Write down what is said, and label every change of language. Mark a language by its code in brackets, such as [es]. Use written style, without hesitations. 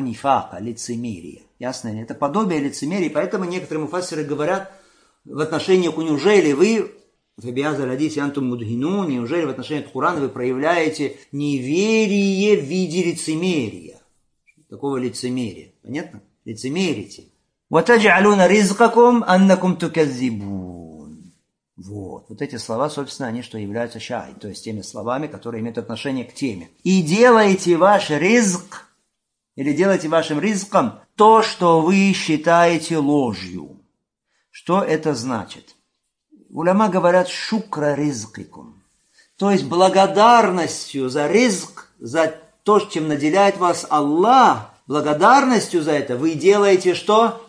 [ru] Нифак, лицемерие. Ясно ли? Это подобие лицемерия, поэтому некоторые муфассиры говорят в отношении к неужели вы... Неужели в отношении Курана вы проявляете неверие в виде лицемерия? Такого лицемерия. Понятно? Лицемерите. [ar] وَتَجْعَلُونَ رِزْقَكُمْ أَنَّكُمْ تُكَذِّبُونَ [ru] Вот. Вот эти слова, собственно, они что являются шай. То есть теми словами, которые имеют отношение к теме. И делайте ваш ризк, или делайте вашим ризком то, что вы считаете ложью. Что это значит? Уляма говорят [ar] «шукра ризкикум», [ru] то есть благодарностью за ризк, за то, чем наделяет вас Аллах, благодарностью за это вы делаете что?